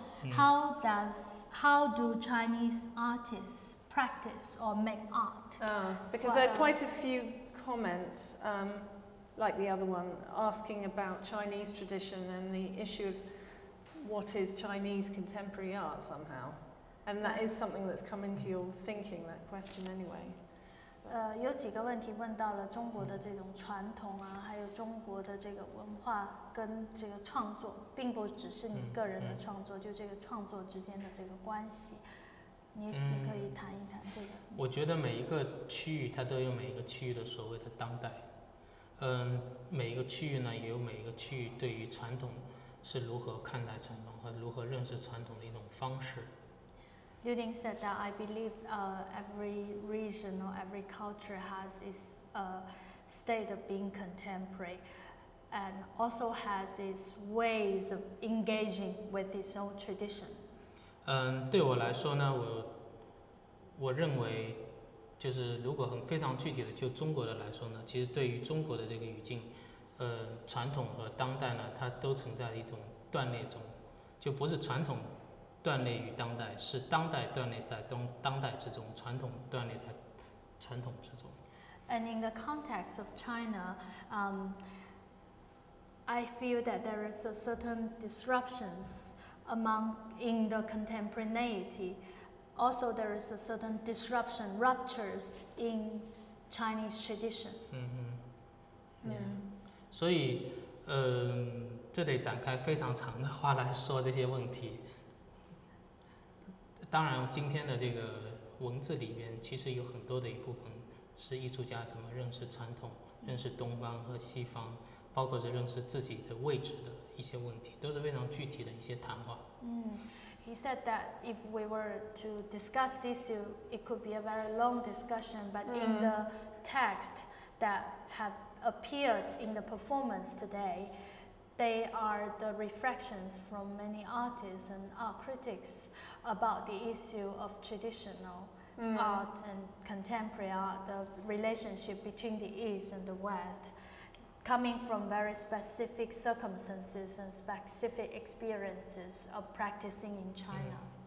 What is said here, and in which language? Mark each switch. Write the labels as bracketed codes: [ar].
[en] How do Chinese artists practice or make art? Because there are quite a few comments, like the other one, asking about Chinese tradition and the issue of what is Chinese contemporary art somehow? And that is something that's come into your thinking, that question anyway. [zh] 有几个问题问到了中国的这种传统啊，还有中国的这个文化跟这个创作，并不只是你个人的创作，就这个创作之间的这个关系。你也许可以谈一谈这个。我觉得每一个区域它都有每一个区域的所谓的当代。每一个区域呢也有每一个区域对于传统是如何看待传统和如何认识传统的一种方式。 [en] Liu Ding said that I believe every region or every culture has its state of being contemporary. and also has its ways of engaging with its own traditions. [zh] 对我来说呢，我认为就是如果很非常具体的就中国的来说呢，其实对于中国的这个语境，传统和当代呢，它都存在一种断裂中，就不是传统断裂于当代，是当代断裂在当代之中，传统断裂在传统之中。 [en] And in the context of China, I feel that there is a certain disruptions in the contemporaneity. Also, there is a certain disruption, ruptures in Chinese tradition. [zh] 嗯嗯，所以，这得展开非常长的话来说这些问题。当然，今天的这个文字里面其实有很多的一部分是艺术家怎么认识传统、认识东方和西方，包括是认识自己的位置的一些问题，都是非常具体的一些谈话。 [en] 嗯 ，He said that if we were to discuss this issue, it could be a very long discussion. But in the text that have appeared in the performance today, they are the reflections from many artists and art critics about the issue of traditional art and contemporary art, the relationship between the East and the West, coming from very specific circumstances and specific experiences of practicing in China.